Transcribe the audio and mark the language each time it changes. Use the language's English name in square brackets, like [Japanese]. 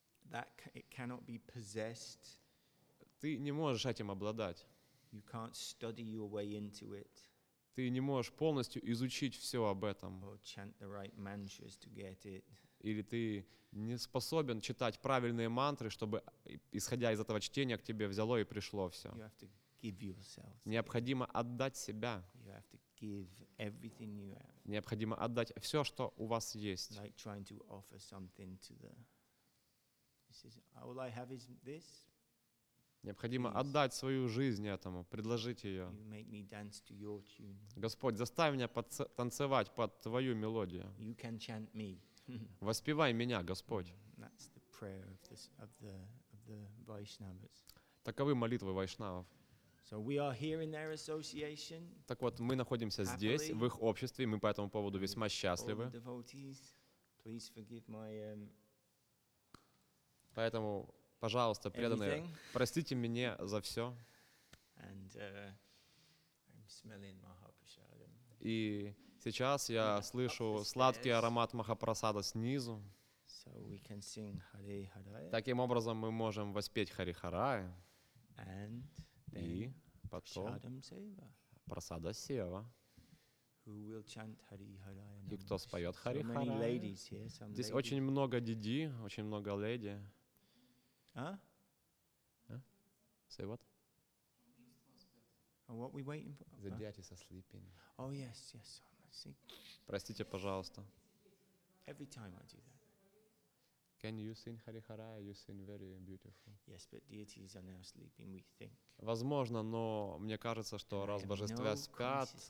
[English] That it cannot be possessed. [Russian] Ты не можешь этим обладать. [English] You can't study your way into it. [Russian] Ты не можешь полностью изучить все об этом. [English] Or chant the right mantras to get it. [Russian] Или ты не способен читать правильные мантры, чтобы, исходя из этого чтения, к тебе взяло и пришло все. [English] You have to give yourself. [Russian] Необходимо отдать себя. [English] You have to give everything you have. [Russian] Необходимо отдать все, что у вас есть. [English] Like trying to offer something to the All I have is this. [Russian] Необходимо [English] Please. [Russian] Отдать свою жизнь этому, предложить ее. [English] You make me dance to your tune. [Russian] Господь, заставь меня танцевать под твою мелодию. [English] You can chant me. [Russian] Воспевай меня, Господь. [English] That's the prayer of the Vaishnavas. [Russian] Таковы молитвы вайшнавов. [English] So we are here in their association. [Russian] Так вот, мы находимся [English] Happily. [Russian] Здесь, в их обществе, и мы по этому поводу весьма счастливы. [English] All the devotees, please forgive my [Russian] Поэтому, пожалуйста, преданные, [English] Anything. [Russian] Простите меня за все. [English] And, I'm smelling Mahaprasad. [Russian] И сейчас я слышу сладкий аромат Махапрасада снизу. [English] So we can sing Hare Haraya. [Russian] Таким образом, мы можем воспеть Хари Харая. [English] And [Russian] И потом [Sanskrit] Seva. [Russian] Прасада Сева. [English] Who will chant Hari Haraya? [Russian] И кто споет Хари [English] Харая? So many ladies here, some ladies. [Russian] Здесь очень много диди, очень много леди. [English] Say what? Oh, what we waiting for? The deities are sleeping. Oh yes, yes. See. [Russian] Простите, пожалуйста. [English] Every time I do that. Can you sing Hari Haraya? You sing very beautiful. Yes, but deities are now sleeping. We think. [Russian] Возможно, но мне кажется, что раз божества спят.